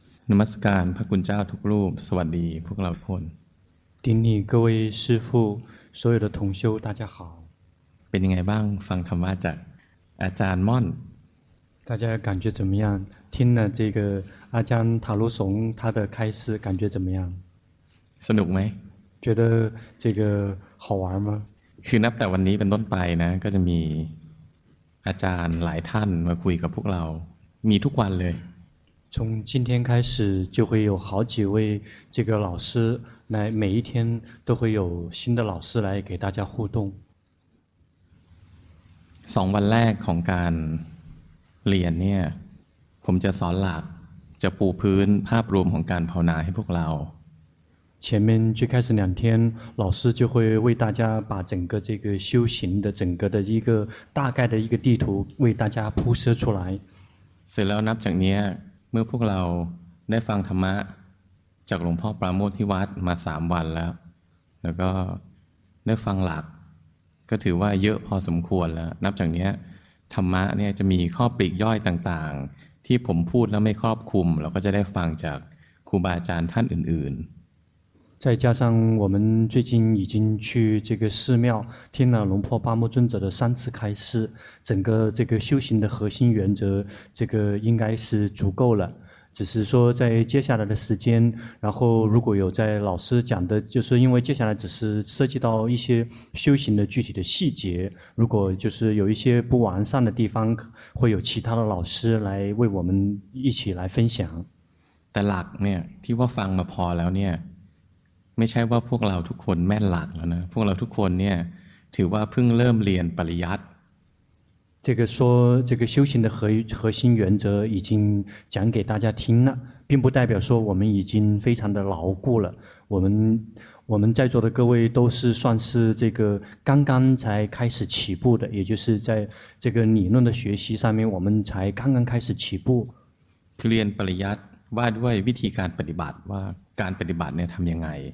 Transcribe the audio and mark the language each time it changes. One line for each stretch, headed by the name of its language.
Thai: นมัสการพระคุณเจ้าทุกรูปสวัสดีพวกเราทุกคน ที่นี่
Chinese: 各位师父所有的同修大家好
Thai: เป็นยังไงบ้างฟังธรรมะจากอาจารย์ม่อน
Chinese: 大家感觉怎么样听了这个阿姜塔罗松他的开示感觉怎么样
Thai: สนุกไหม
Chinese: 觉得这个好玩吗
Thai: คือนับแต่วันนี้เป็นต้นไปนะก็จะมีอาจารย์หลายท่านมาคุยกับพวกเรามีทุกวันเลย
Chinese: 从今天开始就会有好几位这个老师来每一天都会有新的老师来给大家互动
Thai: สองวันแรกของการเรียนเนี่ยผมจะสอนหลักจะปูพื้นภาพรวมของการภาวนาให้พวกเรา
Chinese: 前面最开始两天老师就会为大家把整个这个修行的整个的一个大概的一个地图为大家铺设出来
Thai: เสร็จแล้วนับจากนี้เมื่อพวกเราได้ฟังธรรมะจากหลวงพ่อปราโมทที่วัดมา3วันแล้วแล้วก็ได้ฟังหลักก็ถือว่าเยอะพอสมควรแล้วนับจากนี้ธรรมะเนี่ยจะมีข้อปลีกย่อยต่างๆที่ผมพูดแล้วไม่ครอบคลุมเราก็จะได้ฟังจากครูบาอาจารย์ท่านอื่นๆ
Chinese: 再加上我们最近已经去这个寺庙听了龙婆巴木尊者的三次开示，整个这个修行的核心原则，这个应该是足够了。只是说在接下来的时间，然后如果有在老师讲的，就是因为接下来只是涉及到一些修行的具体的细节，如果就是有一些不完善的地方，会有其他的老师来为我们一起来分享。
Thai: แต่หลักเนี่ยที่ว่าฟังมาพอแล้วเนี่ยไม่ใช่ว่าพวกเราทุกคนแม่นหลักแล้วนะพวกเราทุกคนเนี่ยถือว่าเพิ่งเริ่มเรียนปริยัติ
Chinese: 这个说这个修行的核心原则已经讲给大家听了并不代表说我们已经非常的牢固了我们在座的各位都是算是这个刚刚才开始起步的也就是在这个理论的学习上面我们才刚刚开始起步
Thai: เรียนปริยัติว่าด้วยวิธีการปฏิบัติว่าการปฏิบัติเนี่ยทำยังไง